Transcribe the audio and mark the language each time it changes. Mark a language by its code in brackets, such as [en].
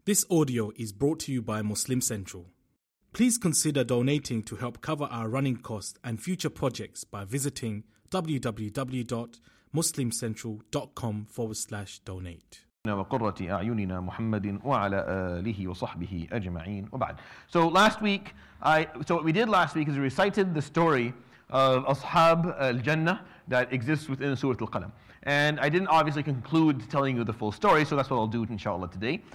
[en] This audio is brought to you by Muslim Central. Please consider donating to help cover our running costs and future projects by visiting www.muslimcentral.com/donate. [ar] وقرة أعيننا محمد وعلى آله وصحبه أجمعين وبعد. [en] So last week, what we did last week is we recited the story of Ashab al-Jannah that exists within Surah Al-Qalam. And I didn't obviously conclude telling you the full story, so that's what I'll do inshallah today.